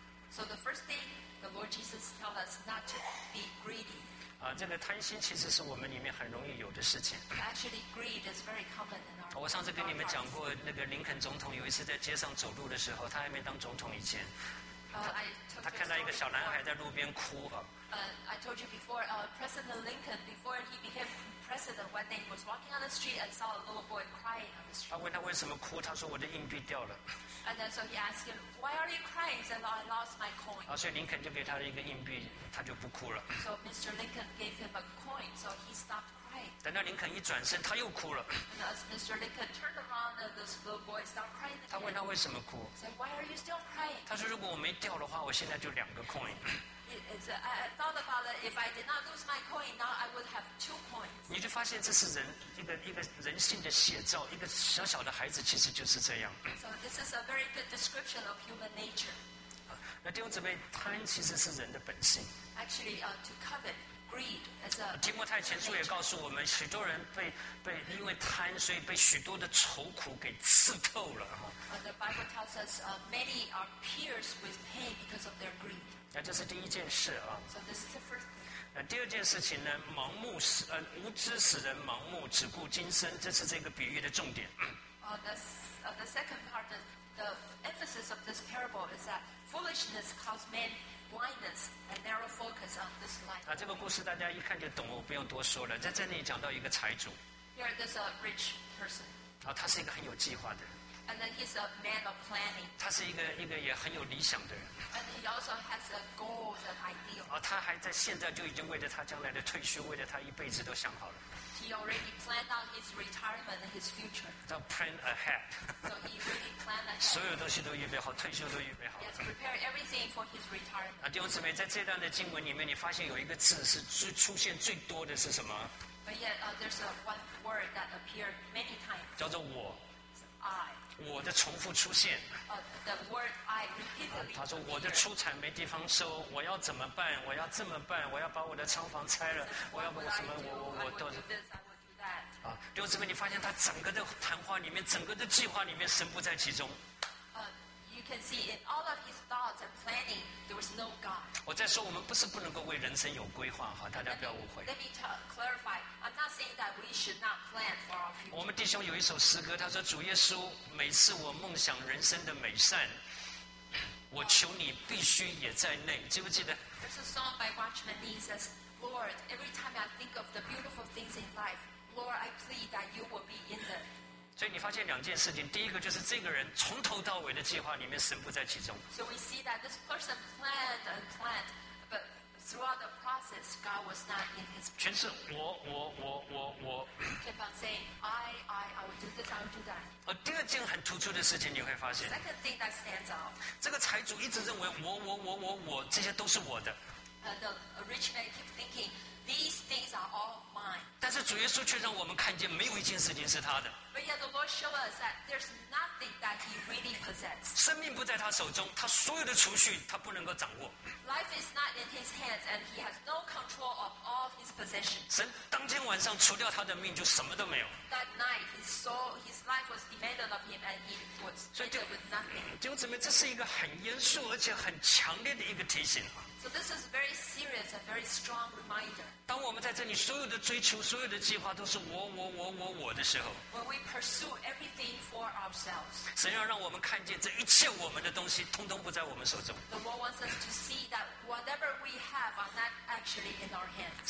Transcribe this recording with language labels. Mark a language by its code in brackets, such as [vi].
[en] So the first thing the Lord Jesus tells us not to be greedy. [zh] 啊，这个贪心其实是我们里面很容易有的事情。 [en] Actually, greed is very common in our. [zh] 我上次跟你们讲过，那个林肯总统有一次在街上走路的时候，他还没当总统以前，他看到一个小男孩在路边哭啊。 [en] I told you before, President Lincoln, before he became president, one day he was walking on the street and saw a little boy crying on the street. [zh] 他问他为什么哭，他说我的硬币掉了。 [en] And then so he asked him, why are you crying? He said, I lost my coin. [zh] 所以林肯就给他一个硬币，他就不哭了。 [en] So Mr. Lincoln gave him a coin, so he stopped crying. [zh] 等到林肯一转身，他又哭了。 [en] And as Mr. Lincoln turned around, this little boy stopped crying again. [zh] 他问他为什么哭。 [en] He said, why are you still crying? [zh] 他说如果我没掉的话，我现在就两个 coin. [en] I thought about it, if I did not lose my coin, now I would have two coins. [zh] 你就发现这是人一个人性的写照，一个小小的孩子其实就是这样。 [en] So this is a very good description of human nature. [zh] 那弟兄姊妹，贪其实是人的本性。 [en] Actually, to covet, greed is a. [zh] 提摩太前书也告诉我们，许多人被因为贪，所以被许多的愁苦给刺透了。 [en] The Bible tells us, many are pierced with pain because of their greed. [zh] 那这是第一件事啊。 [en] So this is the first thing. [zh] 那第二件事情呢？盲目使无知使人盲目，只顾今生，这是这个比喻的重点。 [en] The second part, the emphasis of this parable is that foolishness causes men blindness and narrow focus on this life. [zh] 这个故事大家一看就懂，我不用多说了。在这里讲到一个财主。 [en] Here there's a rich person. [zh] 他是一个很有计划的人。 [en] And then he's a man of planning. [zh] 他是一个也很有理想的人。 [en] And he also has a goal, an ideal. [zh] 他还在现在就已经为了他将来的退休，为了他一辈子都想好了。 [en] He already planned out his retirement and his future. So plan ahead. So he really planned ahead. [zh] 所有东西都预备好，退休都预备好。 [en] He has prepared everything for his retirement. [zh] 弟兄姊妹，在这段的经文里面，你发现有一个字是出现最多的是什么 [en] ？But yet, there's a one word that appeared many times. [zh] 叫做我。我的重复出现。 [en] The word I repeatedly. [zh] 他说我的出产没地方收，我要怎么办？我要这么办？我要把我的仓房拆了？我要把什么？我都是。啊，弟兄姊妹，你发现他整个的谈话里面，整个的计划里面，神不在其中。 [en] You can see in all of his thoughts and planning, there was no God. [zh] 我在说，我们不是不能够为人生有规划哈，大家不要误会。 [en] Let me clarify. I'm not saying that we should not plan for our future. [zh] 我们弟兄有一首诗歌，他说：“主耶稣，每次我梦想人生的美善，我求你必须也在内。” 记不记得 [en] ？There's a song by Watchman Nee says, "Lord, every time I think of the beautiful things in life, Lord, I plead that you will be in them." [zh] 所以你发现两件事情，第一个就是这个人从头到尾的计划里面，神不在其中。 [en] So we see that this person planned and planned. Throughout the process, God was not in his plan. [zh] 全是我。 [en] Keep on saying, I will do this, I will do that. [zh] 第二件很突出的事情，你会发现。 [en] Second thing that stands out. [zh] 这个财主一直认为我，这些都是我的。 [en] The rich man keep thinking these things are all mine. [zh] 但是主耶稣却让我们看见，没有一件事情是他的。 [en] But yet the Lord show us that there's nothing that he really possesses. [zh] 生命不在他手中，他所有的储蓄他不能够掌握。 [en] Life is not in his hands, and he has no control of all his possessions. [zh] 神当天晚上除掉他的命，就什么都没有。 [en] That night, his life was demanded of him, and he was left with nothing. [zh] 弟兄姊妹，这是一个很严肃而且很强烈的一个提醒。 [en] So this is a very serious and very strong reminder. [zh] 当我们在这里所有的追求所有的计划都是我的时候 [en] When we pursue everything for ourselves, [zh] 神要让我们看见这一切我们的东西通通不在我们手中 [en] The world wants us to see that whatever we have are not actually in our hands